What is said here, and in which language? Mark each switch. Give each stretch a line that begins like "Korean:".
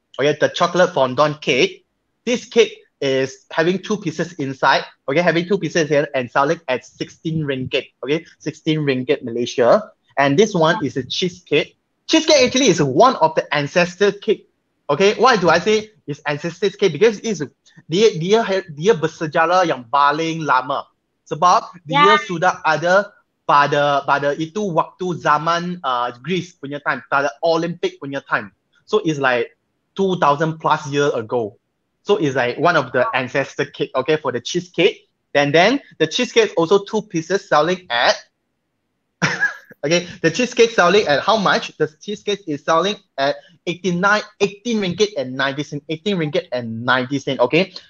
English: Okay, the chocolate fondant cake. This cake is having 2 pieces inside. Okay, having 2 pieces here and selling at 16 ringgit. Okay, 16 ringgit Malaysia. And this one is a cheesecake. Cheesecake actually is one of the ancestor cake. Okay, why do I say it's ancestor cake?
Malay: Because it's dia bersejarah yang paling lama. Sebab dia sudah ada pada itu waktu zaman Greece punya time, pada Olympic punya time.
English: So it's like 2000 plus years ago. So it's like one of the ancestor cake, okay, for the cheesecake. Then the cheesecake is also 2 pieces selling at, okay, the cheesecake selling at how much? The cheesecake is selling at 18 ringgit and 90 cent, 18 ringgit and 90 cent, okay?